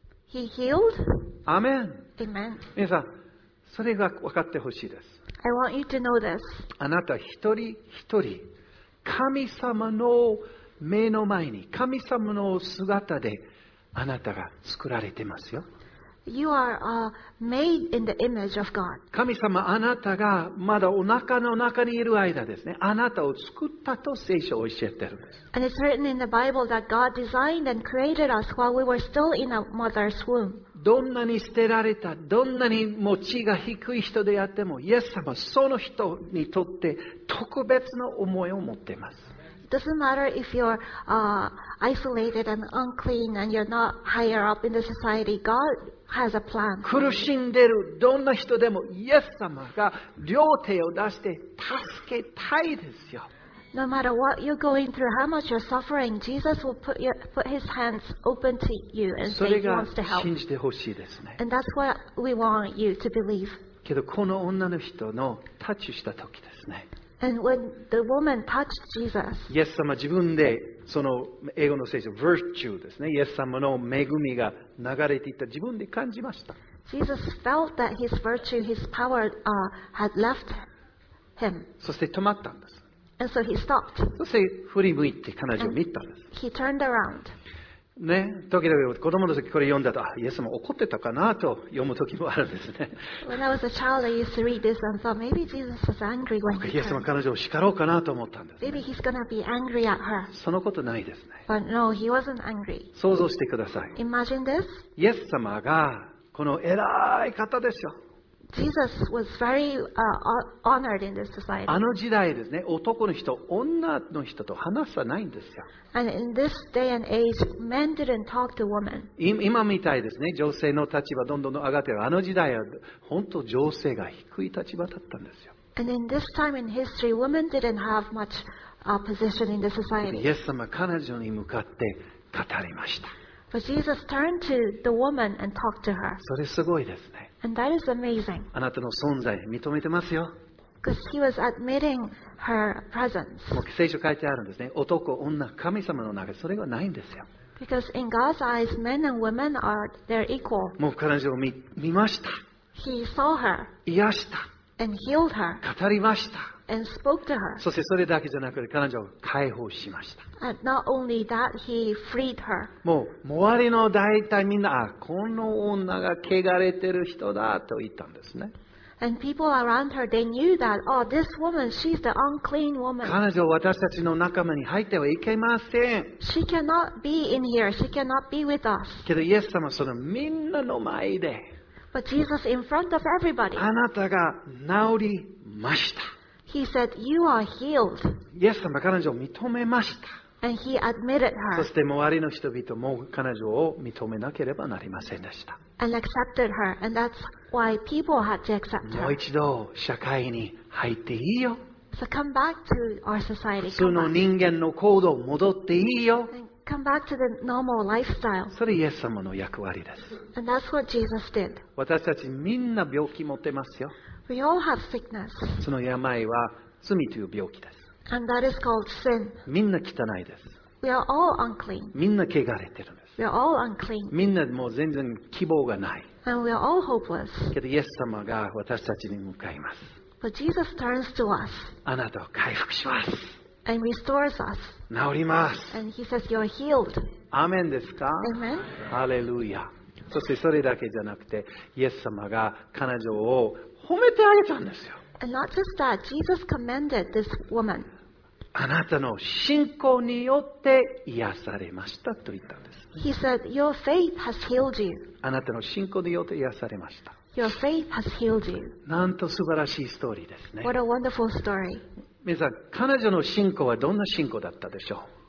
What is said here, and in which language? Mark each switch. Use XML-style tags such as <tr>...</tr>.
<en>He healed.</en> <ja>アメン。</ja> <en>Amen.</en> <ja>皆さんそれが分かってほしいです。</ja> <en>I want you to know this.</en> <ja>あなた一人一人神様の目の前に神様の姿であなたが作られてますよ。</ja> <en>You are made in the image of God.</en> <ja>神様あなたがまだお腹の中にいる間ですね。あなたを作ったと聖書を教えているんです。</ja> <en>And it's written in the Bible that God designed and created us while we were still in a mother's womb.</en> <ja>どんなに捨てられた、どんなに持ちが低い人であっても、イエス様その人にとって特別の思いを持っています。</ja> <en>Doesn't matter if you're isolated and unclean and you're not higher up in the society. God has a plan.</en> <ja>苦しんでるどんな人でもイエス様が両手を出して助けたいですよ。</ja> <en>No matter what you're going through, how much you're suffering, Jesus will put his hands open to you and say he wants to help.</en> <ja>信じてほしいですね。</ja> <en>And that's what we want you to believe.</en> <ja>けどこの女の人のタッチした時ですね。</ja> <en>And when the woman touched Jesus,</en> <ja>イエス様自分でその英語の聖書 virtue ですね。イエス様の恵みが流れていった自分で感じました。</ja> <en>Jesus felt that his virtue, his power, had left him.</en> <ja>そして止まったんです。</ja> <en>And so he stopped.</en> <ja>そして振り向いて彼女を見たんです。</ja> <en>And、he turned around.</en> <ja>ね、時々子供の時これ読んだとイエス様怒ってたかなと読む時もあるんですね。</ja> <en>When I was a child, I used to read this and thought maybe Jesus was angry when he</en> <ja>イエス様彼女を叱ろうかなと思ったんです、ね。</ja> <en>Maybe he's gonna be angry at her.</en> <ja>そのことないですね。</ja> <en>But no, he wasn't angry.</en> <ja>想像してください。</ja> <en>Imagine this.</en> <ja>イエス様がこの偉い方ですよ。</ja> <en>Jesus was very honored in this society.</en> <ja>あの時代ですね、男の人、女の人と話さないんですよ。</ja> <en>And in this day and age, men didn't talk to women.</en> <ja>今みたいですね、女性の立場どんどん上がっている。あの時代は本当女性が低い立場だったんですよ。</ja> <en>And in this time in history, women didn't have much position in the society.</en> <ja>イエス様、彼女に向かって語りました。</ja> <en>But Jesus turned to the woman and talked to her.</en> <ja>それすごいですね。</ja> <en>And that is amazing.</en> <ja>あなたの存在認めてますよ。</ja> <en>Because he was admitting her presence.</en> <ja>もう聖書書いてあるんですね。男、女、神様の中でそれがないんですよ。</ja> <en>Because in God's eyes, men and women are they're equal.</en> <ja>もう彼女を見ました。</ja> <en>He saw her.</en> <ja>癒した。</ja> <en>And healed her.</en> <ja>語りました。</ja> <en>And spoke to her.</en> <ja>そしてそれだけじゃなくて彼女を解放しました。</ja> <en>And not only that, he freed her.</en> <ja>もう周りの大体みんなこの女が汚れてる人だと言ったんですね。</ja> <en>And people around her, they knew that, oh, this woman, she's the unclean woman.</en> <ja>彼女は私たちの仲間に入ってはいけません。</ja> <en>She cannot be in here. She cannot be with us.</en> <ja>けどイエス様はそのみんなの前で。</ja> <en>But Jesus in front of everybody.</en> <ja>あなたが治りました。</ja> <en>He said, "You are healed."</en> <ja>イエス様彼女を認めました。</ja> <en>And he admitted her.</en> <ja>そして周りの人々も彼女を認めなければなりませんでした。</ja> <en>And accepted her, and that's why people had to accept her.</en> <ja>もう一度社会に入っていいよ。</ja> <en>So come back to our society.</en> <ja>普通の人間の行動戻っていいよ。</ja> <en>Come back to the normal lifestyle.</en> <ja>それイエス様の役割です。</ja> <en>And that's what Jesus did.</en> <ja>私たちみんな病気持ってますよ。</ja> <en>We all have sickness.</en> <ja>その病は罪という病気です。</ja> <en>And that is called sin.</en> <ja>みんな汚いです。</ja> <en>We are all unclean.</en> <ja>みんな汚れてるんです。</ja> <en>We are all unclean.</en> <ja>みんなもう全然希望がない。</ja> <en>And we are all hopeless.</en> <ja>けどイエス様が私たちに向かいます。</ja> <en>But Jesus turns to us.</en> <ja>あなたを回復します。</ja> <en>And restores us.</en> <ja>治ります。</ja> <en>And he says you're healed.</en> <ja>アメンですか？</ja> <en>Amen.</en> <ja>ハレルヤ。そしてそれだけじゃなくて、イエス様が彼女を褒めてあげたんですよ。</ja> <en>And not just that, Jesus commended this woman.</en> <ja>あなたの信仰によって癒されましたと言ったんです。</ja> <en>He said, your faith has healed you.</en> <ja>あなたの信仰によって癒されました。</ja> <en>Your faith has healed you.</en> <ja>なんと素晴らしいストーリーですね。</ja> <en>What a wonderful story.</en> <ja>皆さん、彼女の信仰はどんな信仰だったでしょう？</ja>